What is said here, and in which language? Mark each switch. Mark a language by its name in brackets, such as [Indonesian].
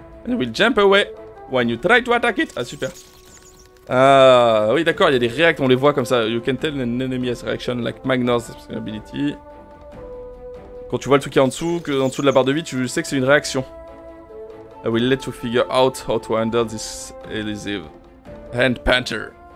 [English] And will jump away when you try to attack it. [French] Ah, super. Ah, oui, d'accord, il y a des reacts, on les voit comme ça. [English] You can tell an enemy has reaction like Magnus ability. [French] Quand tu vois le truc qui est en dessous, que en dessous de la barre de vie, tu sais que c'est une réaction. [English] I will let you figure out how to handle this elusive hand panther.